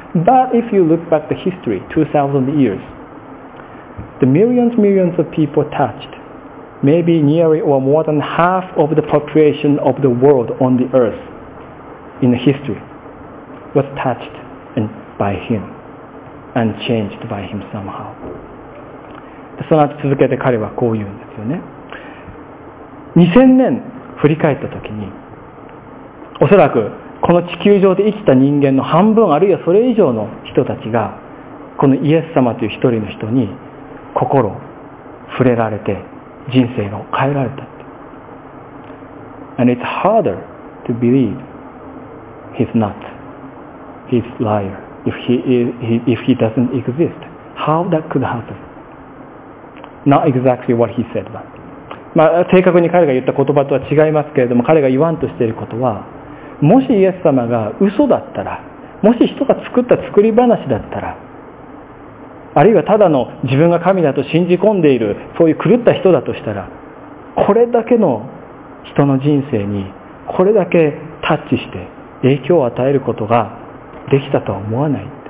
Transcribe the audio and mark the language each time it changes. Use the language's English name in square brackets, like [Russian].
[English] But if you look back the history 2000 years, the millions millions of people touched, maybe nearly or more than half of the population of the world on the earthin history was touched by him and changed by him somehow. [Japanese] その後続けて彼はこう言うんですよね。2000年振り返った時に、おそらくこの地球上で生きた人間の半分あるいはそれ以上の人たちがこのイエス様という一人の人に心を触れられて人生が変えられたって。 [English] And it's harder to believeHe's not. He's liar. If he doesn't exist, how that could happen? Not exactly what he said, but. [Japanese] まあ正確に彼が言った言葉とは違いますけれども、彼が言わんとしていることは、もしイエス様が嘘だったら、もし人が作った作り話だったら、あるいはただの自分が神だと信じ込んでいるそういう狂った人だとしたら、これだけの人の人生にこれだけタッチして影響を与えることができたとは思わない。